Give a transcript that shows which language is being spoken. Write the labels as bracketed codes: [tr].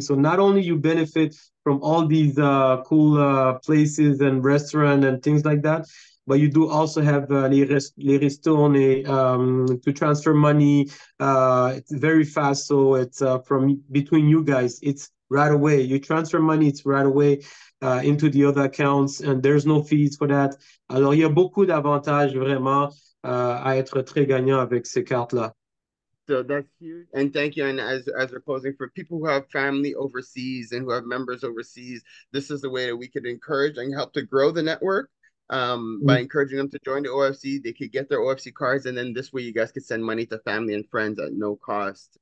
[en] So not only you benefit from all these cool places and restaurants and things like that, but you do also have [fr] les restaurants [en] to transfer money. It's very fast. So it's from between you guys, it's right away. You transfer money, it's right away into the other accounts, and there's no fees for that. [fr] Alors, il y a beaucoup d'avantages vraiment à être très gagnant avec ces cartes-là. [en] So that's huge. And thank you. And as we're closing, for people who have family overseas and who have members overseas, this is the way that we could encourage and help to grow the network. by encouraging them to join the OFC. They could get their OFC cards, and then this way you guys could send money to family and friends at no cost.